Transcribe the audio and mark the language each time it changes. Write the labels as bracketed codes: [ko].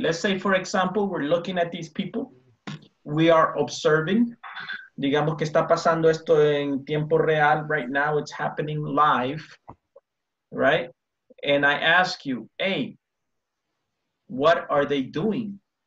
[en] Let's say, for example, we're looking at these people. We are observing. [es] Digamos que está pasando esto en tiempo real. [en] Right now it's happening live, right? And I ask you, hey, what are they doing?